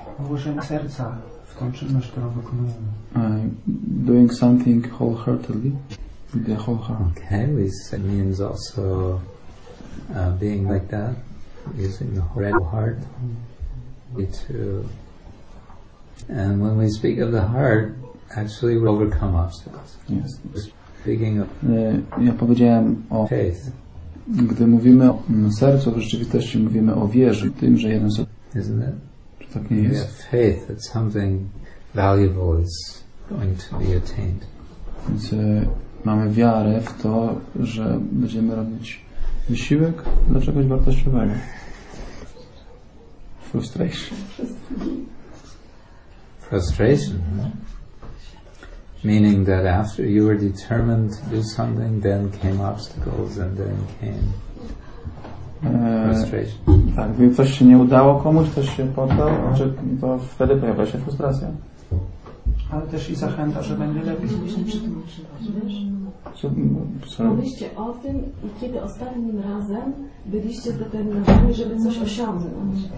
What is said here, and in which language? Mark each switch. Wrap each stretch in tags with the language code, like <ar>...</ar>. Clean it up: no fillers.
<pl>Włożenie serca w tą czynność, którą wykonujemy.</pl> <en>Doing something wholeheartedly. The whole heart. Okay, which means also being like that, using the whole heart. And when we speak of the heart, actually we overcome obstacles. Yes. Speaking of</en> <pl>ja powiedziałem o</pl> <en>faith.</en> <pl>Gdy mówimy o sercu, w rzeczywistości mówimy o wierze, tym, że jeden z...</pl> <en>Isn't it?</en> <pl>Czy tak nie jest?</pl> <en>Yeah, faith that something valuable is going to be attained.</en> <pl>Więc mamy wiarę w to, że będziemy robić wysiłek dla czegoś wartościowego.</pl> <en>Frustration. Frustration, no? Meaning that after you were determined to do something, then came obstacles, and then came frustration.</en> <pl>Tak, gdy coś się nie udało komuś, coś się poddał, to wtedy pojawia się frustracja. Ale też i zachęta, że będzie lepiej. Mówiliście o tym, kiedy ostatnim razem byliście zdeterminowani, żeby coś osiągnąć.</pl>